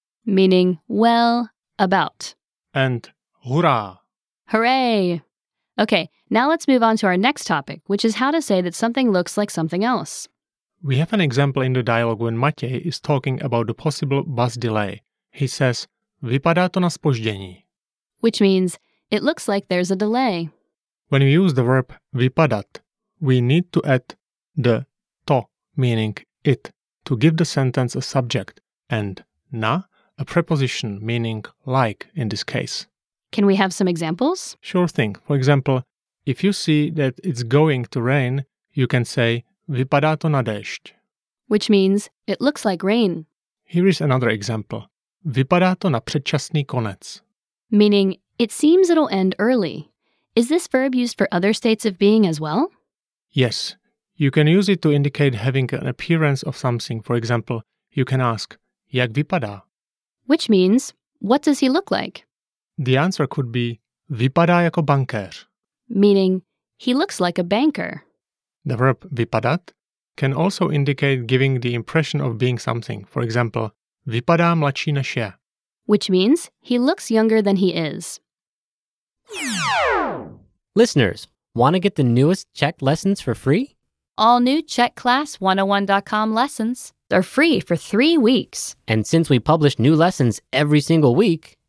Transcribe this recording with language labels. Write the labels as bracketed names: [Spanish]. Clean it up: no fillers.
[English] meaning well, about. And hurrá. Hooray! Okay, now let's move on to our next topic, which is how to say that something looks like something else. We have an example in the dialogue when Matěj is talking about the possible bus delay. He says, [Czech] vypadá to na spoždění. [English] Which means, it looks like there's a delay. When we use the verb vypadat, we need to add the to, meaning it, to give the sentence a subject, and na, a preposition, meaning like in this case. Can we have some examples? Sure thing. For example, if you see that it's going to rain, you can say [Czech] vypadá to na déšť, [English] which means it looks like rain. Here is another example. [Czech] Vypadá to na předčasný konec, [English] meaning it seems it'll end early. Is this verb used for other states of being as well? Yes. You can use it to indicate having an appearance of something. For example, you can ask [Czech] jak vypadá, [English] which means what does he look like? The answer could be [Czech] vypadá jako bankéř, [English] meaning he looks like a banker. The verb vypadat can also indicate giving the impression of being something. For example, [Czech] vypadá mladší než je, [English] which means he looks younger than he is. Listeners, want to get the newest Czech lessons for free? All new CzechClass101.com lessons are free for 3 weeks. And since we publish new lessons every single week,